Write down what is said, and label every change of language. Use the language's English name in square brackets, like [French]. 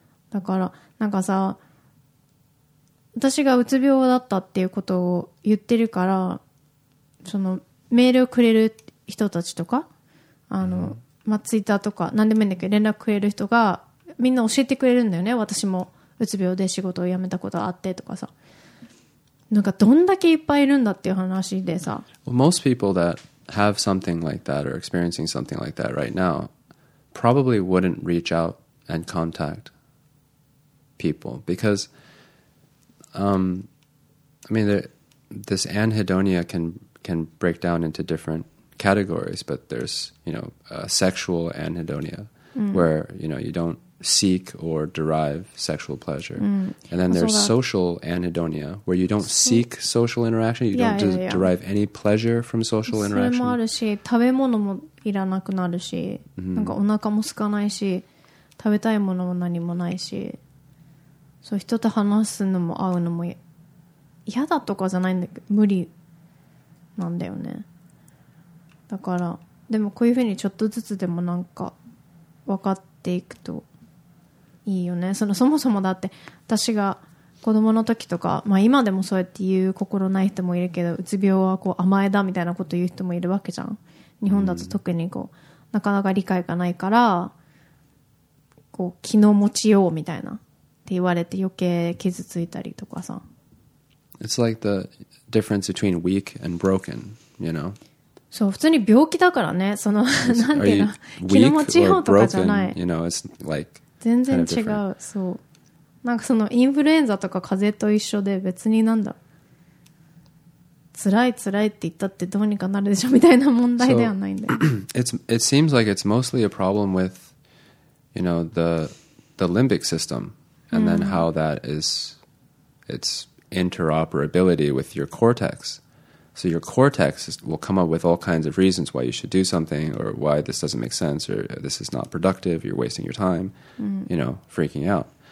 [Japanese] だから、なんかさ、私がうつ病だったっていうことを言ってるから、その、メールをくれる人たちとか、まあ、ツイッターとか、なんでもいいんだけど、連絡くれる人が、みんな教えてくれるんだよね、私も、うつ病で仕事を辞めたことあってとかさ。なんか、どんだけいっぱいいるんだっていう話でさ。 [English] Well, most people that have something like that or experiencing something like that right now, probably wouldn't reach out and contact people because, I mean, this anhedonia can break down into different categories, but there's, you know, sexual anhedonia where, you know, you don't seek or derive sexual pleasure. Mm. And then there's social anhedonia where you don't seek social interaction. You don't derive any pleasure from social interaction. [Japanese] それもあるし、食べ物もいらなくなるし、なんかお腹も空かないし、食べたいものも何もないし、そう人と話すのも会うのも嫌だとかじゃないんだけど、無理なんだよね。だから、でもこういうふうにちょっとずつでもなんか分かっていくと、いいよね。そのそもそもだって私が子供の時とか、まあ、今でもそうやって言う心ない人もいるけど、うつ病はこう甘えだみたいなこと言う人もいるわけじゃん。日本だと特にこうなかなか理解がないから、こう気の持ちようみたいなって言われて余計傷ついたりとかさ。 [English] It's like the difference between weak and broken, you know? [Japanese] そう、普通に病気だからね。そのなんていうの、気の持ちようとかじゃない。 [English] You know, it's like [Japanese] 全然違う、 [English] kind of、 [Japanese] そう。なんかそのインフルエンザとか風邪と一緒で、別になんだ、辛い辛いって言ったってどうにかなるでしょみたいな問題ではないんで。 [English] So, it seems like it's mostly a problem with, you know, the limbic system, and then how that is its interoperability with your cortex. So your cortex will come up with all kinds of reasons why you should do something, or why this doesn't make sense, or this is not productive, you're wasting your time, you know, freaking out.